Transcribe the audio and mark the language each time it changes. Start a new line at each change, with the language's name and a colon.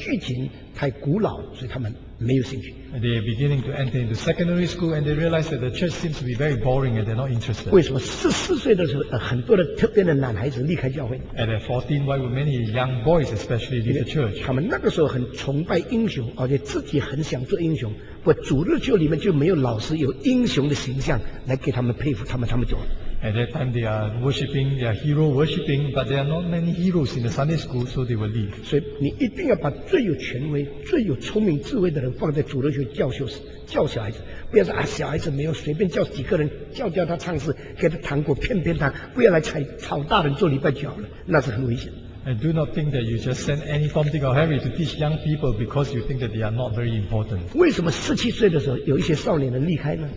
Chinese: 因为他们开始从小学进到中学，开始接触少年的世界，感到教会太拘谨、太古老，所以他们。
English: They are beginning to enter into secondary school and they realize that the church seems to be very boring and they're not interested.
Chinese: 为什么14岁的时候，很多的特别的男孩子离开教会？
English: And at 14, why would many young boys especially leave the church?
Chinese: 他们那个时候很崇拜英雄，而且自己很想做英雄。我主日学里面就没有老师有英雄的形象来给他们佩服他们，他们就。
English: At that time they are worshipping, they are hero worshipping, but there are not many heroes in the Sunday school, so they will leave.
Chinese: 所以你一定要把最有权威、最有聪明智慧的人放在主日学教小孩子，不要说啊，小孩子没有随便叫几个人叫他唱诗，给他糖果骗骗他，不要来吵大人做礼拜就好了，那是很危险。
English: And do not think that you just send any form, Dick or Harry to teach young people because you think that they are not very important.
Chinese: 为什么17岁的时候有一些少年人离开呢？